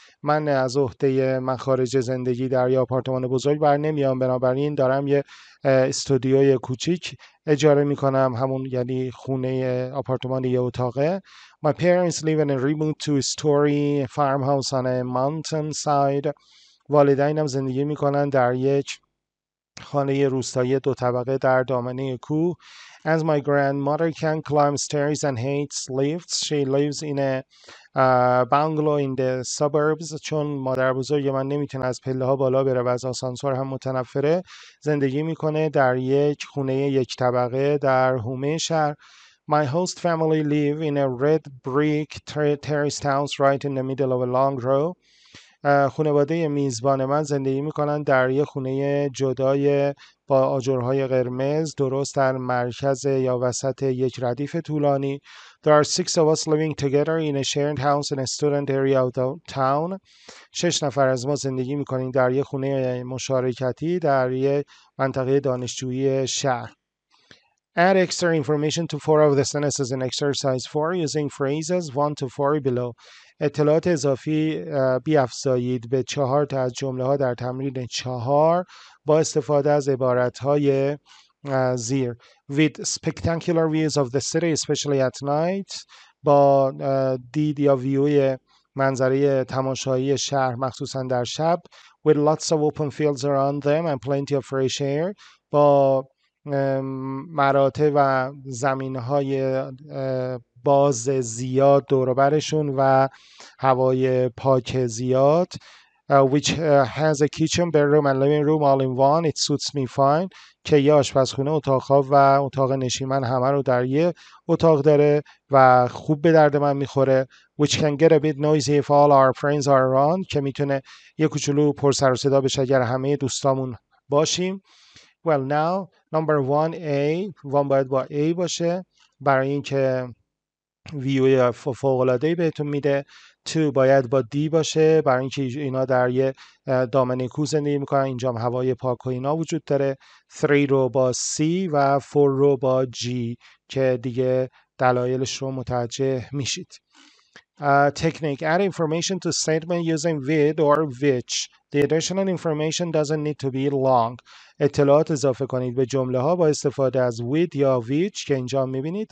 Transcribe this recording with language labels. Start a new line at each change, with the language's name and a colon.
Persian: من از عهده مخارج زندگی در یه آپارتمان بزرگ بر نمیام، بنابراین دارم یه استودیوی کوچیک اجاره میکنم، همون یعنی خونه آپارتمان یه اتاقه.
English: My parents live in a remote two-story farmhouse on a mountain side.
Persian: والدینم زندگی میکنن در یک خانه روستایی دو طبقه در دامنه کوه.
English: As my grandmother can climb stairs and hates lifts, she lives in a bungalow in the suburbs.
Persian: چون مادر بزرگ من نمیتونه از پله ها بالا بره و از آسانسور هم متنفره، زندگی میکنه در یک خونه یک طبقه در حومه شهر.
English: My host family live in a red brick terraced house right in the middle of a long row.
Persian: خانواده میزبان من زندگی میکنن در یه خونه جدای با آجرهای قرمز درست در مرکز یا وسط یک ردیف طولانی.
English: There are six of us living together in a shared house in a student area of the town.
Persian: شش نفر از ما زندگی میکنیم در یه خونه مشارکتی در یه منطقه دانشجویی شهر.
English: Add extra information to four of the sentences in exercise 4 using phrases 1 to 4 below.
Persian: اطلاعات اضافی بیافزایید به چهار تا از جمله ها در تمرین 4 با استفاده از عبارت های زیر.
English: With spectacular views of the city especially at night.
Persian: با دید یا ویوی منظره تماشایی شهر مخصوصا در شب.
English: With lots of open fields around them and plenty of fresh air.
Persian: با مراتع و زمین های باز زیاد دوربرشون و هوای پاک زیاد.
English: Which has a kitchen, bedroom and living room all in one. It suits me fine.
Persian: که یه آشپزخونه، اتاق و اتاق نشیمن همه رو در یه اتاق داره و خوب به درد من میخوره.
English: Which can get a bit noisy if all our friends are around.
Persian: که میتونه یه کوچولو پر سر و صدا بشه اگر همه دوستامون باشیم.
English: Well now, number one A.
Persian: One باید با A باشه برای اینکه ویو فوق‌العاده‌ای بهتون میده. تو باید با دی باشه برای اینکه اینا در یه دامنه کوه زندگی میکنن، اینجا هم هوای پاک و اینا وجود داره. 3 رو با سی و 4 رو با جی که دیگه دلایلش رو متوجه میشید.
English: Technique: Add information to statement using with or which. The additional information doesn't need to be long.
Persian: اطلاعات اضافه کنید به جمله ها با استفاده از with یا which که اینجا میبینید.